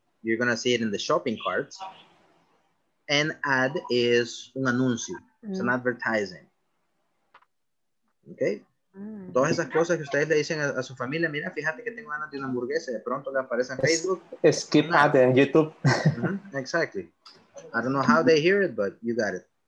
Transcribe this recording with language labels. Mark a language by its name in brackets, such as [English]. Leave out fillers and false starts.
[English] You're gonna see it in the shopping carts. And add is [Spanish] un anuncio, [English] it's an advertising. Okay? Mm. [Spanish] Todas esas cosas que ustedes le dicen a su familia, mira, fíjate que tengo ganas de una hamburguesa, de pronto le aparece en Facebook. [English] Skip ad en YouTube. Mm-hmm. Exactly. I don't know how they hear it, but you got it.